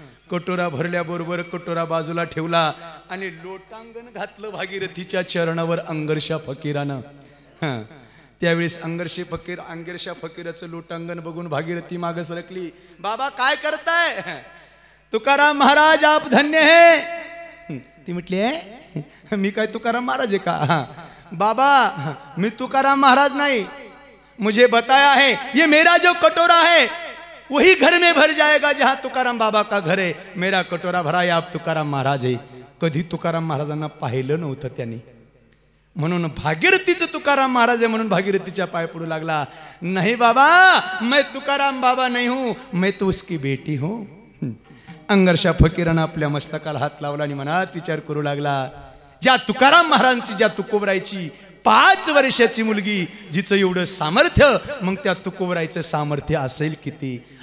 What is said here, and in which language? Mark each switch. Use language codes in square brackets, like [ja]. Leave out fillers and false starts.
[mr] कटोरा भरल्याबरोबर कटोरा बाजूला ठेवला आणि लोटांगण घातलं भागीरथीच्या चरणावर अंगर्षा फकीरानं. त्यावेळेस अंगर्षा फकीराचं लोटांगण बघून भागीरथी मागे सरकली. बाबा काय करताय? तुकाराम महाराज [hi] आप धन्य हे. [mr] ती म्हटली मी काय तुकाराम महाराज आहे का? बाबा मी तुकाराम महाराज नाही, [hi] मुझे बताया है ये मेरा जो कटोरा है वही घर में भर जाएगा जहां तुकाराम बाबा का घर है. मेरा कटोरा भरा आप तुकाराम महाराज है. [mr] कधी तुकाराम महाराजांना पाहिलं नव्हतं त्यांनी, म्हणून भागीरथीचं तुकाराम महाराज आहे म्हणून भागीरथीच्या पाय पडू लागला. [hi] नाही बाबा मैं तुकाराम बाबा नाही हूं, मैं तो उसकी बेटी हूं. [mr] अंगर्षा फकीरानं आपल्या मस्तकाला हात लावला आणि मनात विचार करू लागला ज्या तुकाराम महाराजांची ज्या तुकोबराईची पाच वर्षाची मुलगी जिचं एवढं सामर्थ्य, मग त्या तुकोबराईचं सामर्थ्य असेल किती?